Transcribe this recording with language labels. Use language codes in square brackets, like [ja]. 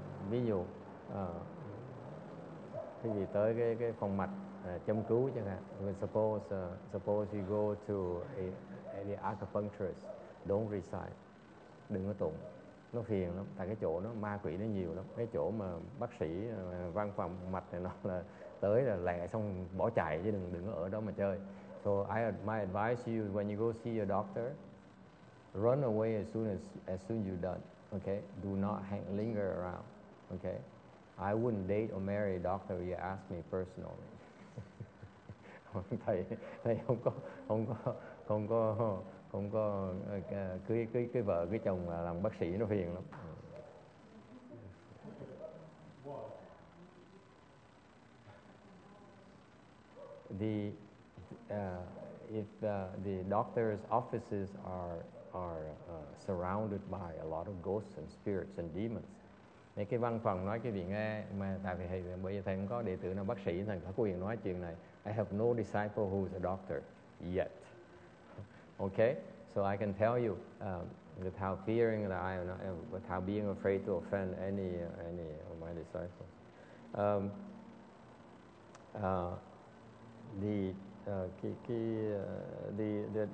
[vi] Ví dụ cái gì tới cái phòng mạch châm cứu chẳng hạn. [en] Suppose you go to any acupuncturist, don't recite. [vi] Đừng có tụng. Nó phiền lắm, tại cái chỗ nó ma quỷ nó nhiều lắm. Cái chỗ mà bác sĩ văn phòng mạch này nó là tới là lẹ xong bỏ chạy chứ đừng ở đó mà chơi. [en] So my advice you, when you go see your doctor, run away as soon you're done, okay? Do not linger around, okay? I wouldn't date or marry a doctor if you ask me personally. [vi] thầy không có cưới vợ cưới chồng làm bác sĩ nó phiền lắm. [en] The if the doctor's offices are surrounded by a lot of ghosts and spirits and demons. [vi] Nên cái văn phòng nói cái gì nghe mà tại vì bây giờ thầy không có đệ tử nào bác sĩ thành có quyền nói chuyện này. [en] I have no disciple who is a doctor yet. Okay, so I can tell you without fearing that I am not, without being afraid to offend any of my disciples.